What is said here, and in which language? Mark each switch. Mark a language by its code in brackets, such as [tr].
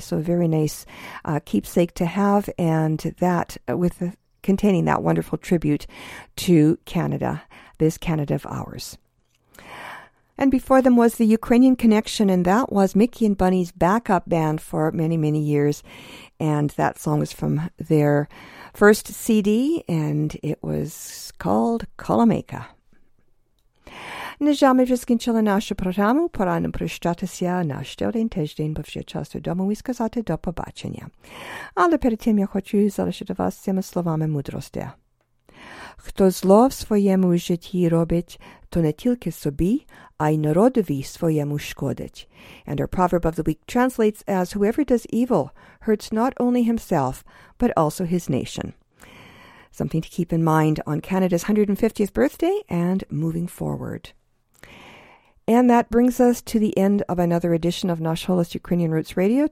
[en] So a very nice keepsake to have, and that with containing that wonderful tribute to Canada, this Canada of ours. And before them was the Ukrainian Connection, and that was Mickey and Bunny's backup band for many, many years. And that song was from their first CD, and it was called Коломийка. [uk] Нежами вискінчили нашу програму. Пора нам прощатися на ще один тиждень, бо вже час додому і сказати до побачення. Але перед тим я хочу залишити вас цими словами мудрості. Хто зло в своєму житті робить, то не тільки собі, а й народові своєму шкодить. [en] And our proverb of the week translates as, whoever does evil hurts not only himself, but also his nation. Something to keep in mind on Canada's 150th birthday and moving forward. And that brings us to the end of another edition of Nash Holis Ukrainian Roots Radio.